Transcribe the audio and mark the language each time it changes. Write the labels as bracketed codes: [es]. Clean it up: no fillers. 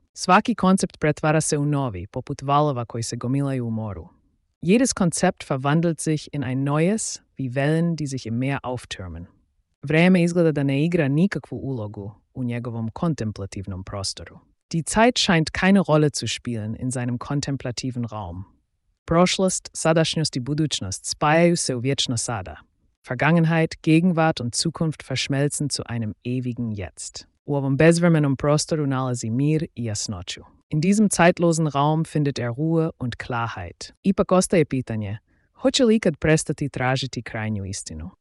[hr] Svaki koncept pretvara se u novi, poput valova koji se gomilaju u moru. [de] Jedes Konzept verwandelt sich in ein neues, wie Wellen, die sich im Meer auftürmen. [sr] Vreme izgleda da ne igra nikakvu ulogu u njegovom kontemplativnom prostoru. [de] Die Zeit scheint keine Rolle zu spielen in seinem kontemplativen Raum. [hr] Prošlost, sadašnjost i budućnost spajaju se u vječno sada. [de] Vergangenheit, Gegenwart und Zukunft verschmelzen zu einem ewigen Jetzt. [hr] U ovom bezvremenom prostoru nalazi mir i jasnoću. [de] In diesem zeitlosen Raum findet Ruhe und Klarheit. [hr] Ipak ostaje pitanje, hoće li ikad prestati tražiti krajnju istinu?